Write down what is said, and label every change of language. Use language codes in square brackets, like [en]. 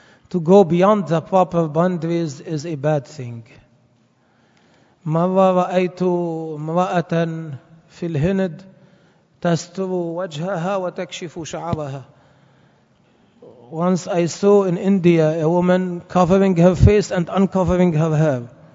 [en] To go beyond the proper boundaries is a bad thing. [ar] مرة رأيت امرأة في الهند تستر وجهها وتكشف شعرها. [en] Once I saw in India a woman covering her face and uncovering her hair.